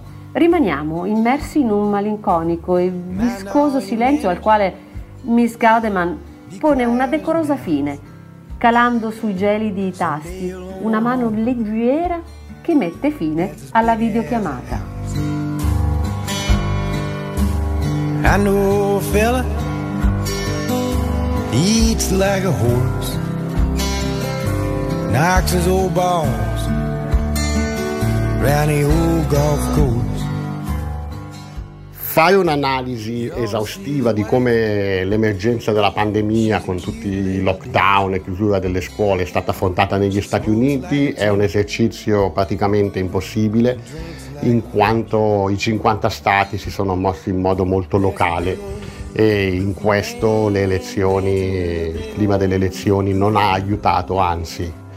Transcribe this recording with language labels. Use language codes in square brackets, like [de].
[it] Rimaniamo immersi in un malinconico e viscoso silenzio al quale Miss Gaudeman pone una decorosa fine, calando sui gelidi tasti una mano leggera che mette fine alla videochiamata. [en] I know a fella, he eats like a horse, knocks his old balls round the old golf course. [it] Fai un'analisi esaustiva di come l'emergenza della pandemia con tutti i lockdown e chiusura delle scuole è stata affrontata negli Stati Uniti, è un esercizio praticamente impossibile in quanto i 50 stati si sono mossi in modo molto locale e in questo le elezioni, il clima delle elezioni non ha aiutato, anzi.